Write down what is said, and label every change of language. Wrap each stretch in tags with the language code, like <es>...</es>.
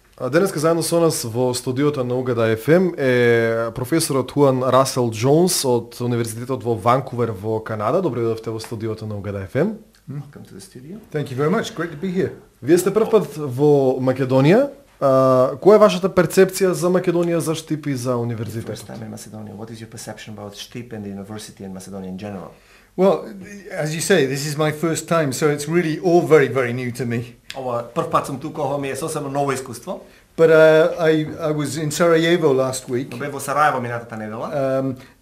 <mk>Денеска заедно со нас во студиото на Угада FM е професорот Хуан Расел Джонс од Универзитетот во Ванкувер во Канада. Добре дојдовте во студиото на Угада FM.</mk> <en>Welcome to the studio. Thank you very much. Great to be here.</en> <mk>Вие сте прв пат во Македонија. Која е вашата перцепција за Македонија, за Штип и за универзитетот?</mk> <en>First time in Macedonia. What is your perception about Штип and the university and Macedonia in general? Well, as you say, this is my first time, so it's really all very, very new to me.</en> <mk>Ова прв пат сум тука, ова ми е сосема ново искуство.</mk> <en>But I was in Sarajevo last week.</en> <mk>Бев во Сарајево минатата недела.</mk>